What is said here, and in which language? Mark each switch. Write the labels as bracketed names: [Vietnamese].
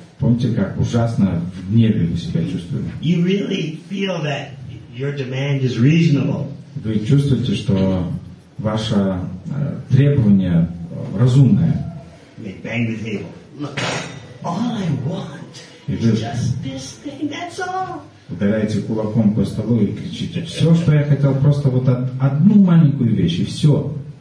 [Russian] Помните, как ужасно в гневе вы себя чувствуете? [English] You really feel that your demand is reasonable. [Russian] Вы чувствуете, что ваше требование разумное. [English] They bang the table. Look, all I want is just this thing. That's all. [Russian] Ударяете кулаком по столу и кричите: «Все, что я хотел, просто вот одну маленькую вещь, и все».